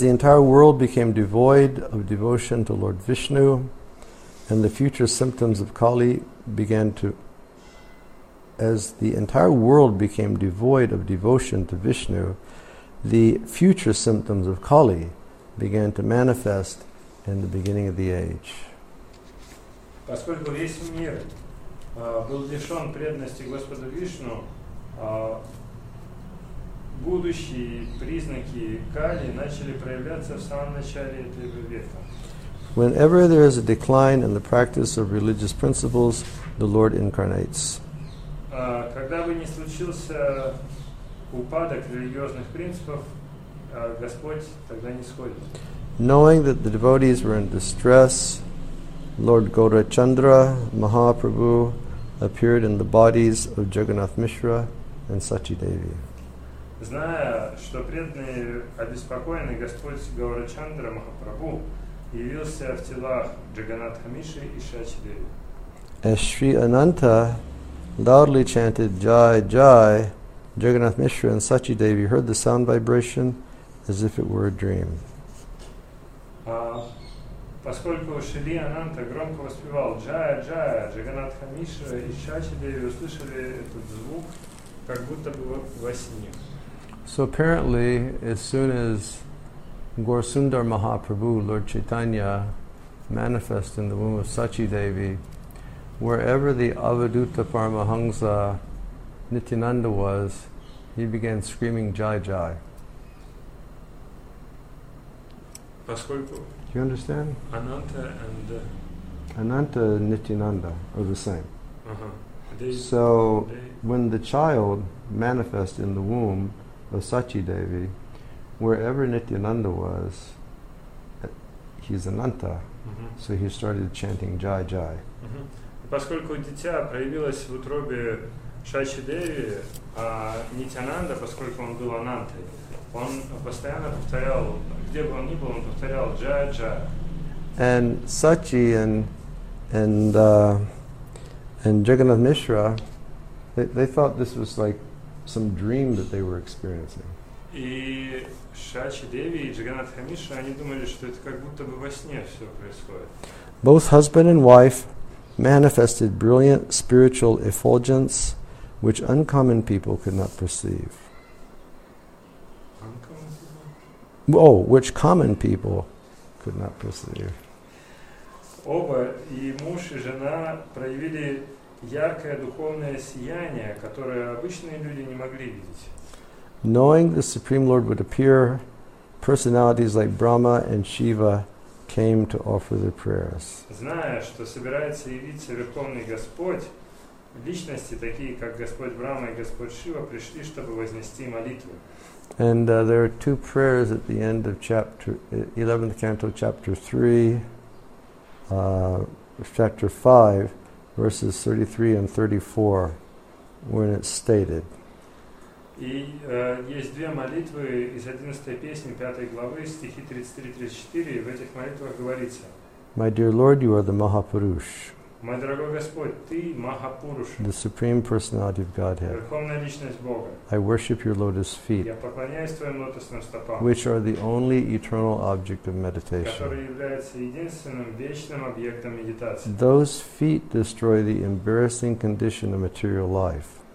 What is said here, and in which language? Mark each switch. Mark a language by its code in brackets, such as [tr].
[en] the entire world became devoid of devotion to Lord Vishnu, and the future symptoms of Kali began to, as the entire world became devoid of devotion to Vishnu, the future symptoms of Kali began to manifest in the beginning of the age. [ru] Поскольку весь мир был лишен преданности Господу Вишну, будущие признаки Кали начали проявляться в самом начале этого века. [en] Whenever there is a decline in the practice of religious principles, the Lord incarnates. [ru] Когда бы ни случился упадок религиозных принципов, Господь тогда не сходит. [en] Knowing that the devotees were in distress, Lord Gaurachandra Mahaprabhu appeared in the bodies of Jagannath Mishra and Sachidevi. [ru] Зная, что преданные обеспокоены, Господь Гаурачандра Махапрабху явился в телах Джаганатха Миши и Шачидеви. [en] As Sri Ananta loudly chanted Jai Jai, Jagannath Mishra and Sachidevi heard the sound vibration as if it were a dream. [ru] Поскольку Шри Ананта громко воспевал Джая Джая, Джаганатха Миша и Шачидеви услышали этот звук, как будто бы во сне. [en] So apparently, as soon as Gaurasundara Mahaprabhu, Lord Chaitanya, manifests in the womb of Sachidevi, wherever the Avadhuta Paramahamsa Nityananda was, he began screaming Jai Jai. [ru] Поскольку? [en] Do you understand? Ananta and... Ananta and Nityananda are the same. Uh-huh. So, when the child manifests in the womb of Sachidevi, wherever Nityananda was, he's Ananta. Mm-hmm. So he started chanting Jai Jai. Mm-hmm. [ru] Поскольку дитя проявилось в утробе Шачидеви, а Нитянанда, поскольку он был Анантой, он постоянно повторял, где бы он ни был, он повторял Jai Jai. [en] And Sachi and Jagannath Mishra, they thought this was like some dream that they were experiencing. [ru] И Шачидеви и Джаганатха Миша, они думали, что это как будто бы во сне все происходит. [en] Both husband and wife manifested brilliant spiritual effulgence, which uncommon people could not perceive. Uncommon people? Oh, which common people could not perceive. [ru] Оба, и муж, и жена, проявили яркое духовное сияние, которое обычные люди не могли видеть. [en] Knowing the Supreme Lord would appear, personalities like Brahma and Shiva came to offer their prayers. [ru] Зная, что собирается явиться Верховный Господь, личности, такие как Господь Брама и Господь Шива, пришли, чтобы вознести молитву. [en] And there are two prayers at the end of chapter 11th canto, chapter 3, chapter 5, verses 33 and 34, when it stated. [ru] И есть две молитвы из 11 песни 5 главы, стихи 33-34, в этих молитвах говорится. [en] My dear Lord, you are the Mahapurush. [ru] Мой дорогой Господь, ты Mahapurush. [en] The Supreme Personality of Godhead. [ru] Верховная личность Бога. [en] I worship your lotus feet. [ru] Я поклоняюсь твоим лотосным стопам. [en] Which are the only eternal object of meditation. [ru] Которые являются единственным вечным объектом медитации. [en] Those feet destroy the embarrassing condition of material life.